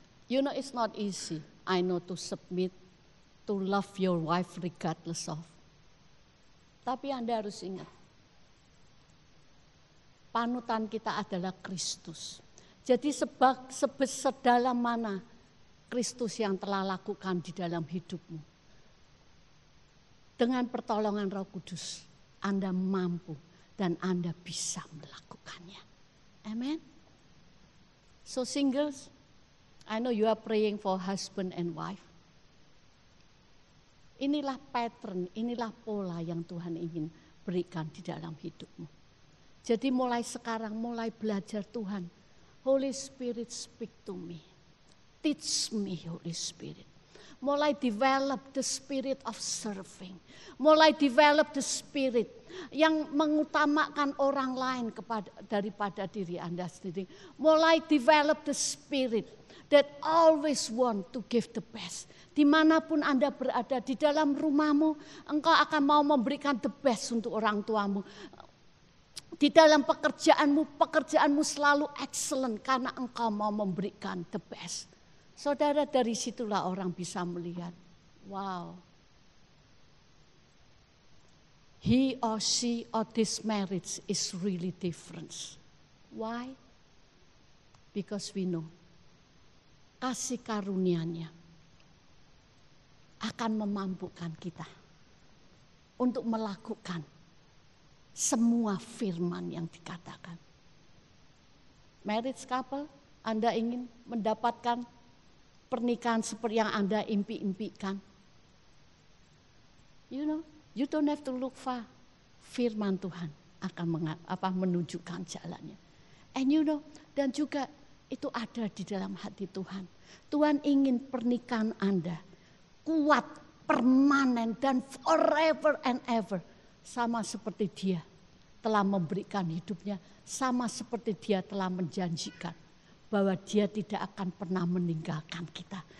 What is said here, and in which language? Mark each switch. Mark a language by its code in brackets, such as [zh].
[en] You know it's not easy, I know, to submit, to love your wife regardless of. [id] Tapi Anda harus ingat, panutan kita adalah Kristus. Jadi sedalam mana Kristus yang telah lakukan di dalam hidupmu. Dengan pertolongan Roh Kudus, Anda mampu dan Anda bisa melakukannya. Amen. [en] So singles, I know you are praying for husband and wife. [id] Inilah pattern, inilah pola yang Tuhan ingin berikan di dalam hidupmu. Jadi mulai sekarang, mulai belajar Tuhan. [en] Holy Spirit, speak to me. Teach me, Holy Spirit. [id] Mulai [en] develop the spirit of serving. [id] Mulai [en] develop the spirit [id] yang mengutamakan orang lain kepada daripada diri Anda sendiri. [en] Mulai develop the spirit that always want to give the best. [id] Dimanapun Anda berada, di dalam rumahmu, engkau akan mau memberikan [en] the best [id] untuk orang tuamu. Di dalam pekerjaanmu, pekerjaanmu selalu excellent karena engkau mau memberikan [en] the best. [id] Saudara, dari situlah orang bisa melihat, [en] wow, he or she or this marriage is really different. Why? Because we know [id] kasih karunia-Nya akan memampukan kita untuk melakukan semua firman yang dikatakan. [en] Marriage couple, [id] Anda ingin mendapatkan pernikahan seperti yang Anda impi-impikan. [en] You know, you don't have to look far. [id] Firman Tuhan akan menunjukkan jalannya. [en] And you know, [id] dan juga itu ada di dalam hati Tuhan. Tuhan ingin pernikahan Anda kuat, permanen, dan [en] forever and ever. [id] Sama seperti Dia telah memberikan hidupnya, sama seperti Dia telah menjanjikan bahwa Dia tidak akan pernah meninggalkan kita.